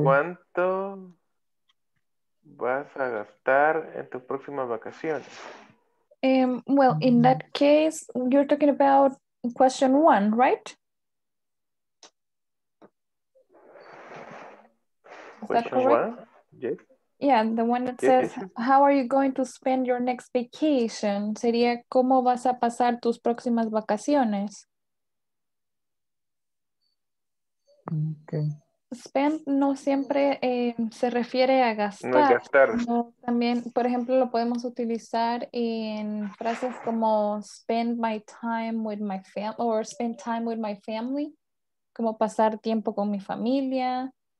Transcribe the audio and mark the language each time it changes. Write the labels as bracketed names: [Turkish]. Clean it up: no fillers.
[Spanish] ¿Cuánto vas a gastar en tu próxima vacación? [English] Well, in that case, you're talking about question one, right? Question one? Yes. Yeah, the one that says, how are you going to spend your next vacation? [Spanish] Sería, ¿cómo vas a pasar tus próximas vacaciones? [English] Okay. [Spanish] Spend no siempre se refiere a gastar. No gastar. Sino también, por ejemplo, lo podemos utilizar en frases como [English] spend my time with my family [Spanish] or [English] spend time with my family, [Spanish] como pasar tiempo con mi familia.